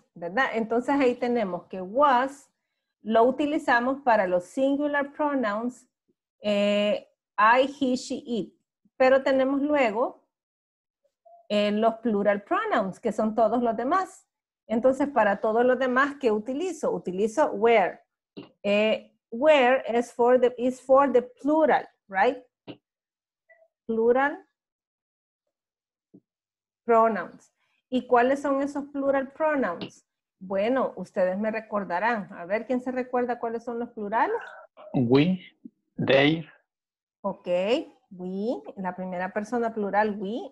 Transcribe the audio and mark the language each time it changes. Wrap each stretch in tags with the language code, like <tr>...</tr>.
<es>¿verdad? Entonces ahí tenemos que was, lo utilizamos para los singular pronouns, I, he, she, it. Pero tenemos luego los plural pronouns, que son todos los demás. Entonces, para todos los demás, ¿qué utilizo? Utilizo where.</es> <en>Where is for the, plural, right? Plural pronouns.</en> <es>¿Y cuáles son esos plural pronouns? Bueno, ustedes me recordarán. A ver, ¿quién se recuerda cuáles son los plurales?</es> <en>We, they.</en> <es>Ok, we, la primera persona plural, we.</es>